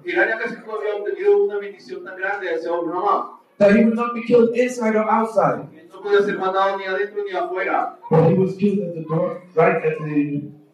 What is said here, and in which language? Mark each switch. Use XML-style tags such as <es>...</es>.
<es>Hiranyakashipu había obtenido una bendición tan grande hacia Lord Brahma.</es> <en>That he would not be killed inside or outside.</en> <es>No podía ser matado ni adentro ni afuera.</es> <en>But he was killed at the door, right at the</en>